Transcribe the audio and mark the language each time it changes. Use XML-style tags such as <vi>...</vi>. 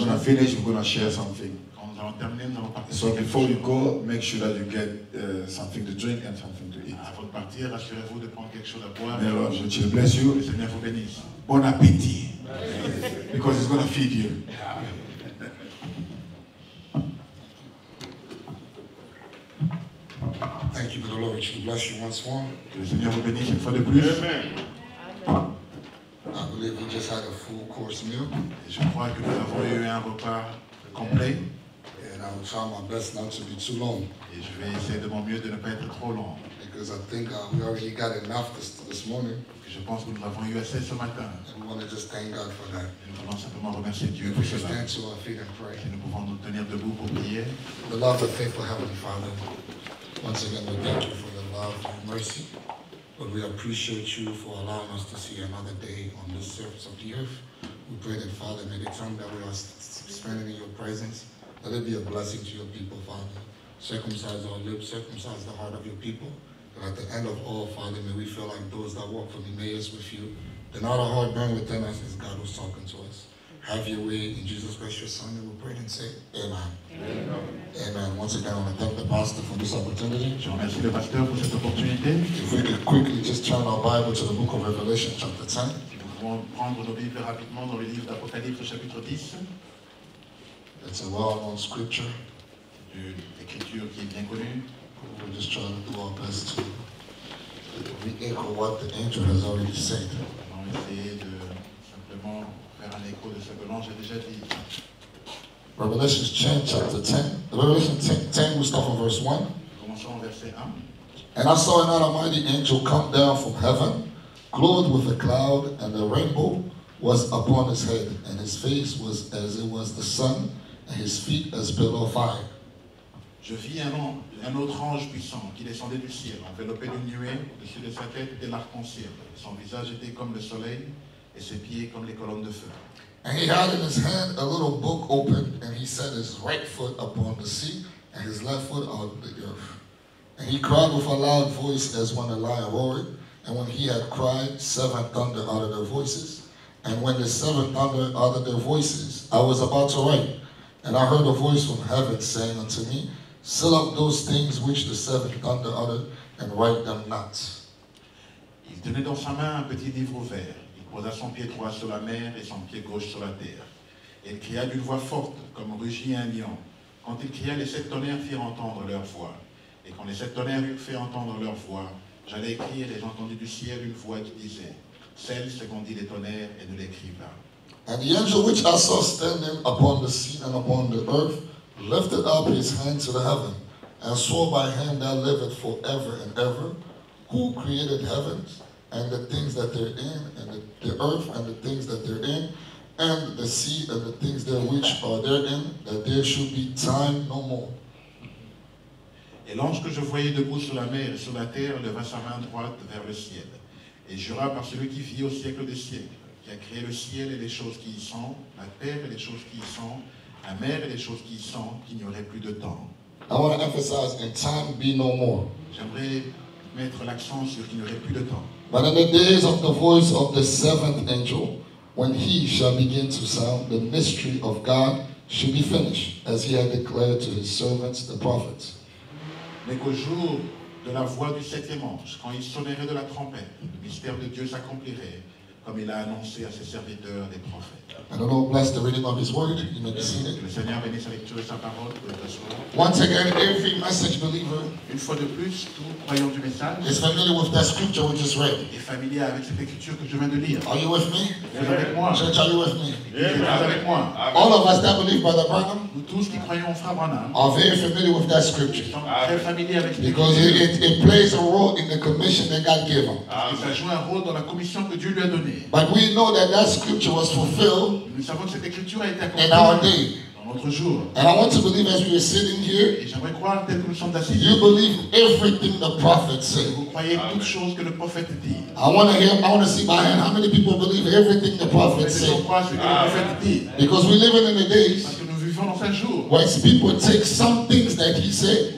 <en>When we're gonna finish, we're gonna share something.</en> <fr>Quand nous allons terminer, nous allons partager.</fr> <en>So before you go, make sure that you get something to drink and something to eat.</en> <fr>Avant de partir, assurez-vous de prendre quelque chose à boire.</fr> <en>May Lord, which will bless you.</en> <fr>Le Seigneur vous bénisse. Bon appétit.</fr> <en>Because it's gonna feed you. Thank you for the Lord, which will bless you once more.</en> <fr>Que le Seigneur vous bénisse une fois de plus.</fr> <en>I believe we just had a full course meal.</en> <fr>Et je crois que nous avons eu un repas complet.</fr> <en>And I will try my best not to be too long.</en> <fr>Et je vais essayer de mon mieux de ne pas être trop long.</fr> <en>Because I think we already got enough this morning.</en> <fr>Je pense que nous avons eu assez ce matin.</fr> <en>And we want to just thank God for that.</en> <fr>Et nous voulons simplement remercier Dieu pour cela.</fr> <en>Stand to our feet and pray.</en> <fr>Et nous pouvons nous tenir debout pour prier.</fr> <en>The love of faithful Heavenly Father. Once again, we thank you for your love and mercy. But we appreciate you for allowing us to see another day on the surface of the earth. We pray that, Father, may the time that we are spending in your presence, let it be a blessing to your people, Father. Circumcise our lips, circumcise the heart of your people. And at the end of all, Father, may we feel like those that walk from Emmaus with you, that not our heart burn within us as God was talking to us. Have your way in Jesus Christ, your Son, and we pray and say, Amen. Amen. Amen. Once again, I want to thank the pastor for this opportunity.</en> <fr>Je remercie le pasteur pour cette opportunité.</fr> <en>If we could quickly just turn our Bible to the book of Revelation, chapter 10.</en> <fr>Si nous pouvons prendre nos Bibles rapidement dans le livre d'Apocalypse, chapitre 10.</fr> <en>It's a well-known scripture.</en> <fr>Une écriture qui est bien connue.</fr> <en>We're just trying to do our best to re-echo what the angel has already said.</en> <fr>On essaie de simplement faire un écho de ce que l'ange a déjà dit.</fr> <en>Revelation 10, chapter 10. Revelation 10, we start from verse 1.</en> <fr>Commençons au verset 1.</fr> <en>And I saw another mighty angel come down from heaven, clothed with a cloud, and a rainbow was upon his head, and his face was as it was the sun, and his feet as pillar of fire.</en> <fr>Je vis un autre ange puissant qui descendait du ciel, enveloppé d'une nuée, au-dessus de sa tête était l'arc-en-ciel. Son visage était comme le soleil, et ses pieds comme les colonnes de feu.</fr> <en>And he had in his hand a little book open, and he set his right foot upon the sea, and his left foot on the earth. And he cried with a loud voice as when a lion roared. And when he had cried, seven thunder uttered their voices. And when the seven thunder uttered their voices, I was about to write. And I heard a voice from heaven saying unto me, Seal up those things which the servant thunder uttered and write them not.</en> <fr>Il tenait dans sa main un petit livre ouvert. Il posa son pied droit sur la mer et son pied gauche sur la terre. Il cria d'une voix forte, comme rugit un lion. Quand il cria, les sept tonnerres firent entendre leur voix. Et quand les sept tonnerres eurent fait entendre leur voix, j'allais écrire et j'entendis du ciel une voix qui disait, celle secondit les tonnerres et ne l'écrit pas.</fr> <en>And the angel which I saw standing upon the sea and upon the earth lifted up his hand to the heaven and swore by him that liveth forever and ever, who created heaven and the things that therein, and the earth and the things that therein, and the sea and the things there which are therein, that there should be time no more.</en> <fr>Et l'ange que je voyais debout sur la mer et sur la terre leva sa main droite vers le ciel et jura par celui qui vit au siècle des siècles, qui a créé le ciel et les choses qui y sont, la terre et les choses qui y sont, la mer et les choses qui y sont, qu'il n'y aurait plus de temps.</fr> <en>I want to emphasize in time be no more.</en> <fr>J'aimerais mettre l'accent sur qu'il n'y aurait plus de temps.</fr> <en>But in the days of the voice of the seventh angel, when he shall begin to sound, the mystery of God should be finished, as he had declared to his servants the prophets.</en> <fr>Mais qu'au jour de la voix du septième ange, quand il sonnerait de la trompette, le mystère de Dieu s'accomplirait, comme il a annoncé à ses serviteurs les prophètes.</fr> <en>And the Lord bless the reading of his word. You may be seated.</en> <fr>Le Seigneur bénisse la lecture de sa parole.</fr> <en>Once again, every message believer,</en> <fr>une fois de plus, tout croyant du message, is familiar with that scripture we just read. Est familier avec cette écriture que je viens de lire.</fr> <en>Are you with me?</en> <fr>Vous êtes avec moi.</fr> <en>Church, are you with me?</en> <fr>Vous avec moi.</fr> <en>All of us that believe Brother Branham,</en> <fr>nous tous qui croyons Frère Branham,</fr> <en>are very familiar with that scripture.</en> <fr>Très familier avec cette</fr> <en>because</en> <fr>écriture.</fr> <en>Because it plays a role in the commission that God gave him. Amen.</en> <fr>Ça joue un rôle dans la commission que Dieu lui a donnée.</fr> <en>But we know that that scripture was fulfilled.</en> <fr>Nous savons que cette écriture a été</fr> <en>accomplie in our day.</en> <fr>Dans notre jour.</fr> <en>And I want to believe as we are sitting here,</en> <fr>et j'aimerais croire tel que nous sommes assis,</fr> <en>you believe everything the prophet said.</en> <fr>Vous croyez toutes choses que le prophète dit.</fr> <en>I want to see by hand how many people believe everything the prophet said. Because we live in the days</en> <fr>parce que nous vivons dans un jour</fr> <en>where people take some things that he said,</en>